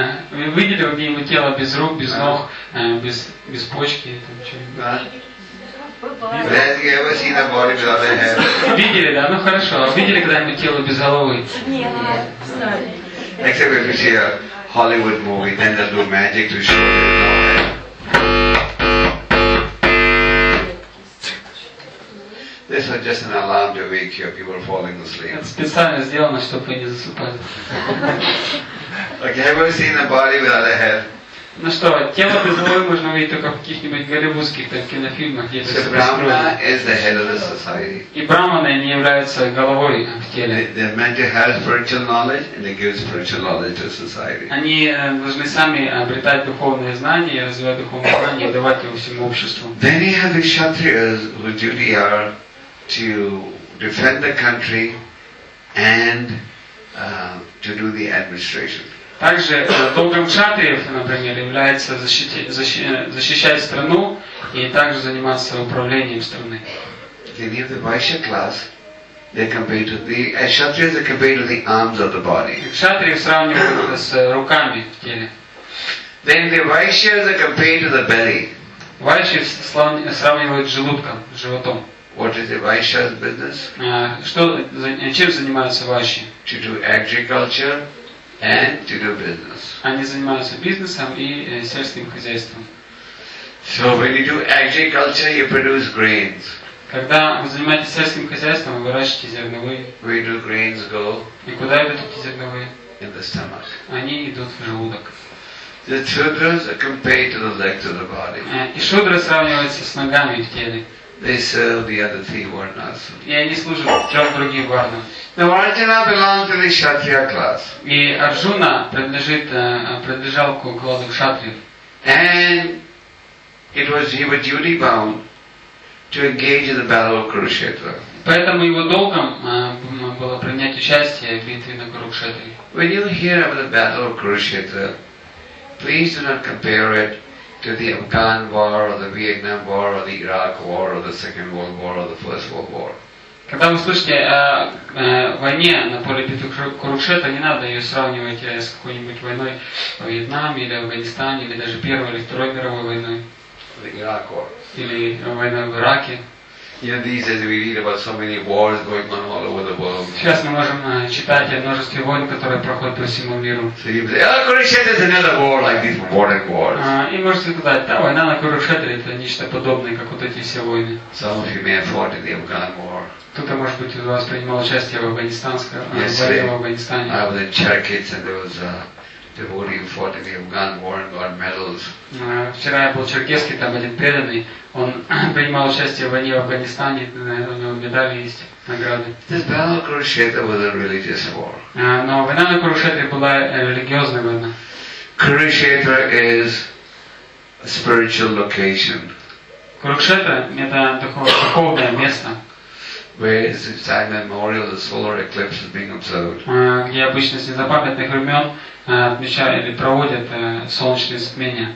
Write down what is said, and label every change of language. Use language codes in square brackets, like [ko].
[ru] Видели у него тело без рук, без ног, без почки и там чего-нибудь? Да. Видели, да? Ну хорошо. А видели когда-нибудь тело без головы? Нет. [en] Except if you see a Hollywood movie, then they'll do magic to show you. This is just an alarm to wake you, people falling asleep. [ru] Это специально сделано, чтобы вы не засыпали. [en] Okay, have you seen a body without a head? [ru] Ну что, тело без головы можно увидеть только в каких-нибудь голливудских там кинофильмах, где-то. [en] So Brahma is the head of the society. [ru] И Брахманы не являются головой в теле. [en] They're meant to have spiritual knowledge, and they give spiritual knowledge to society. [ru] Они должны сами обретать духовные знания, развивать духовные знания, и давать его всему обществу. [en] Then you have the Kshatriyas, whose duty are to defend the country and to do the administration. [ru] Также долгом кшатриев, например, является защищать страну и также заниматься управлением страны. [en] They have the Vaishya class. They're compared to the Kshatriyas are compared to the arms of the body. [ru] Кшатриев сравнивают с руками в теле. [en] Then the Vaishyas are compared to the belly. [ru] Вайшьи сравнивают с желудком, с животом. [en] What is the Vaishya's business? [ru] Что, чем занимаются Vaishya? [en] To do agriculture and to do business. [ru] Они занимаются бизнесом и сельским хозяйством. [en] So when you do agriculture, you produce grains. [ru] Когда вы занимаетесь сельским хозяйством, вы выращиваете зерновые. [en] Where do grains go? [ru] И куда идут эти зерновые? [en] In the stomach. [ru] Они идут в желудок. [en] The shudras are compared to the legs of the body. [ru] И шудры сравниваются с ногами в теле. [en] They serve the other three varnas. [ru] И они служат трем другим варнам. [en] Now Arjuna belongs to the Kshatriya class. [ru] И Арджуна принадлежал к укладу кшатриев. [en] And it was he was duty bound to engage in the battle of Kurukshetra. [ru] Поэтому его долгом было принять участие в битве на Курукшетре. [en] When you hear about the battle of Kurukshetra, please do not compare it to the Afghan war, or the Vietnam war, or the Iraq war, or the Second World War, or the First World War. [ru] Когда вы слышите о войне на поле битвы Курукшетра, не надо ее сравнивать с какой-нибудь войной в Вьетнаме, или Афганистане, или даже Первой или Второй мировой войной. [en] The Iraq war. [ru] Или войной в Ираке. [en] You know, these days we read about so many wars going on all over the world. [ru] Сейчас мы можем читать о множестве войн, которые проходят по всему миру. [en] So you say, oh, Kurukshetra is another war like these modern wars. [ru] И можете сказать, да, война на Курукшетре это нечто подобное, как вот эти все войны. [en] Some of you may have fought in the Afghan war. [ru] Кто-то, может быть, из вас принимал участие в Афганистанской войне в Афганистане. [en] I was in Cherkitz and there was a devotee who fought in the Afghan war and got medals. [ru] Вчера я был в Черкесске, там один преданный. Он принимал участие в войне в Афганистане, у него медали есть, награды. [en] This battle of Kurukshetra was a religious war. [ru] Но война на Курукшетре была религиозной войной. [en] Kurukshetra is a spiritual location. [ru] Курукшетра это такое духовное место. [en] Where is the time memorial the solar eclipse is being observed. [ru] Где обычно с незапамятных времен отмечают или проводят солнечные затмения.